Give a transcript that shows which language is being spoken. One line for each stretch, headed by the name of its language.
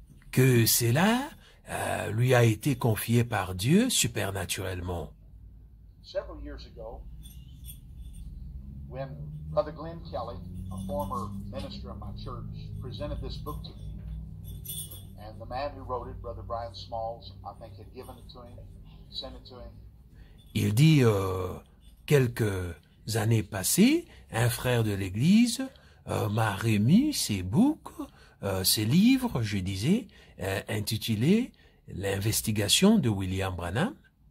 French: Que cela lui a été confié par Dieu supernaturellement.
English: Several years ago, when Brother Glenn Kelly, a former minister of my church, presented this book to me, and the man who wrote it, Brother Brian Smalls, I think had given it to him, sent it to him.
French: Il dit, quelques années passées, un frère de l'Église m'a remis ses books, ses livres, je disais, intitulés « L'investigation de William Branham ».